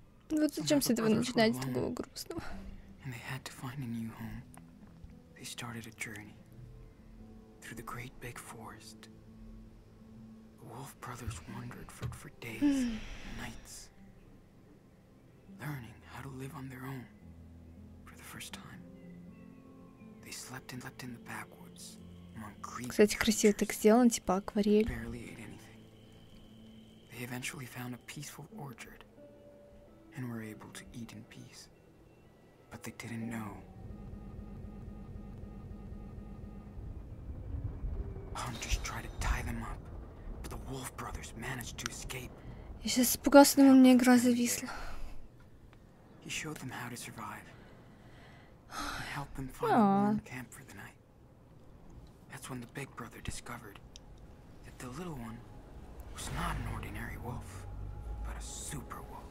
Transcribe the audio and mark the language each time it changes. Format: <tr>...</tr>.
<ru>Вот зачем с этого начинать, это было грустно.</ru> <en>And they had to find a new home. They started a journey through the great big forest. The wolf brothers wandered for days, nights, learning how to live on their own for the first time. They slept and lived in the backwoods among green.</en> <ru>Кстати, красиво так сделано, типа акварель.</ru> <en>They eventually found a peaceful orchard and were able to eat in peace. But they didn't know. Hunters tried to tie them up, but the wolf brothers managed to escape.</en> <ru>Я сейчас испугался, но у меня игра зависла.</ru> <en>He showed them how to survive. And helped them find a warm camp for the night. That's when the big brother discovered that the little one was not an ordinary wolf, but a super wolf.</en>